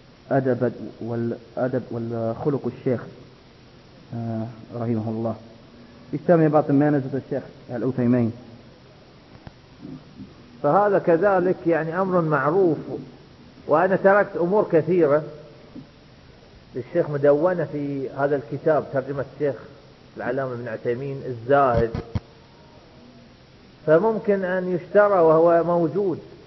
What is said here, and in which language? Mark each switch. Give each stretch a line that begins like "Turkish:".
Arabic: أدب والأدب والخلق الشيخ رحمه الله.
English: He's telling me about the manners of the Sheikh Al-Uthaymeen.
Arabic: فهذا كذلك يعني أمر معروف، وأنا تركت أمور كثيرة للشيخ مدونة في هذا الكتاب، ترجمة الشيخ العلامة بن عثيمين الزاهد، فممكن أن يشترى وهو موجود.